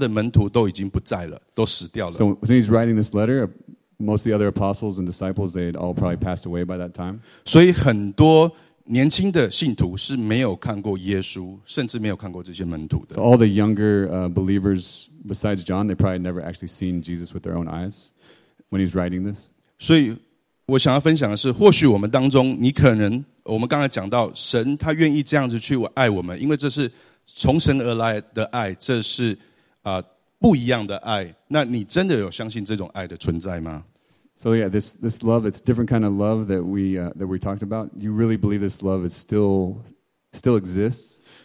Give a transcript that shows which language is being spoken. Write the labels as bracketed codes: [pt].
[zh] 可能他在写这句话的时候，其他的门徒都已经不在了，都死掉了。 [en] So when he's writing this letter, most of the other apostles and disciples, they had all probably passed away by that time. [zh] 所以很多年轻的信徒是没有看过耶稣，甚至没有看过这些门徒的。 [en] So all the younger believers besides John, they probably never actually seen Jesus with their own eyes when he's writing this. [zh] 所以 我想要分享的是，或许我们当中，你可能我们刚才讲到神，他愿意这样子去爱我们，因为这是从神而来的爱，这是不一样的爱。那你真的有相信这种爱的存在吗？ [en] So yeah, this love, it's different kind of love that we talked about. You really believe this love is still exists?